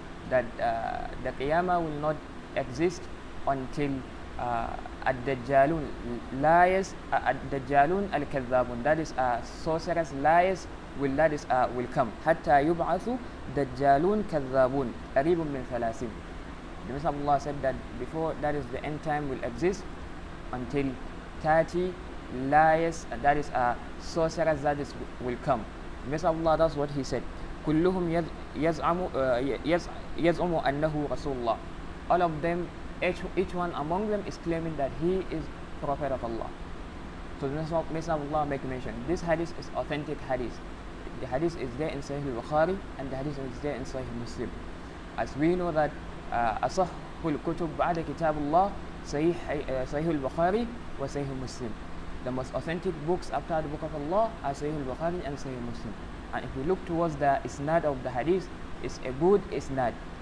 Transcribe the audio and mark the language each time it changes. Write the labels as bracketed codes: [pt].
[en] that the Qiyamah will not exist until [ar] الدجالون [en] liars, [ar] الدجالون الكذابون, [en] that is sorcerers, liars, will, that is will come, [ar] حتى يبعث دجالون كذابون قريب من ثلاثين. [en] The Messenger of Allah said that before, that is the end time, will exist until 30 liars, that is sorcerers that is will come. Mr. Allah, that's what he said. [ar] كلهم يزعموا أنه رسول الله. [en] All of them, each one among them is claiming that he is prophet of Allah. So Mr. Allah make mention, this hadith is authentic hadith. The hadith is there in Sahih Bukhari and the hadith is there in Sahih Muslim. As we know that [ar] أصح الكتب بعد كتاب الله صحيح البخاري وصحيح مسلم. [en] The most authentic books after the book of Allah are صحيح البخاري and صحيح مسلم. And if we look towards the isnad of the hadith, it's a good isnad.